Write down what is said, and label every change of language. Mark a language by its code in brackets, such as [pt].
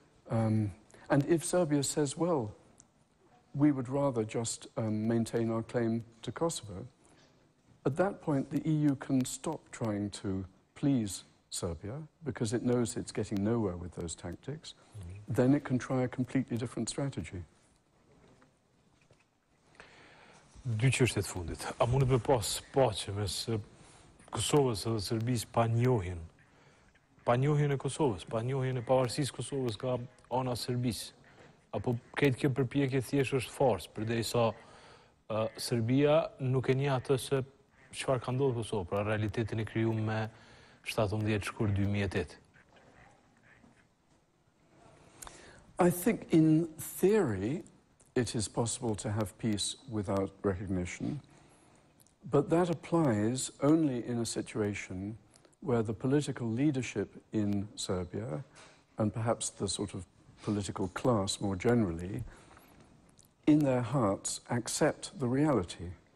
[en] And if Serbia says, well, we would rather just maintain our claim to Kosovo, at that point the EU can stop trying to please Serbia because it knows it's getting nowhere with those tactics, then it can try a completely different strategy. [sq] Dy çështjet fundit. A mund të pas paqe mes Kosovës dhe Serbisë pa njohjen? Pa njohjen e Kosovës, pa njohjen e pavarësisë Kosovës nga ana Serbisë. Apo këtë kjo përpjekje thjesht është farsë, përderisa Serbia nuk e njeh atë se çfarë ka ndodhur Kosovë, pra realitetin e krijuar me 17 shkur 2008. [en] I think in theory it is possible to have peace without recognition, but that applies only in a situation where the political leadership in Serbia and perhaps the sort of political class more generally in their hearts accept the reality,